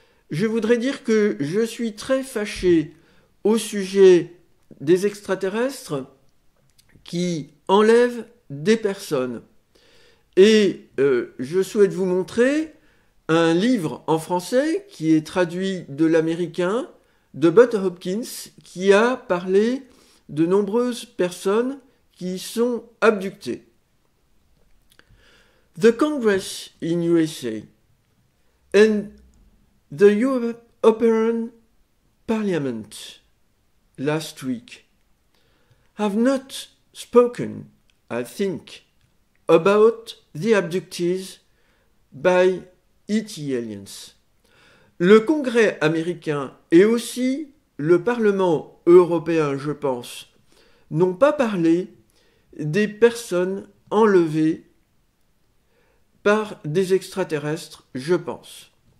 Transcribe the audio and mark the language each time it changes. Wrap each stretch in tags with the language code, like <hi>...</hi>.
<fr>Je voudrais dire que je suis très fâché au sujet des extraterrestres qui enlèvent des personnes. Et je souhaite vous montrer un livre en français qui est traduit de l'américain de Bud Hopkins qui a parlé de nombreuses personnes qui sont abductées.</fr> <en>The Congress in USA and the European Parliament last week have not spoken, I think, about the abductees by ET aliens.</en> <fr>Le Congrès américain et aussi le Parlement européen, je pense, n'ont pas parlé des personnes enlevées par des extraterrestres, je pense.</fr>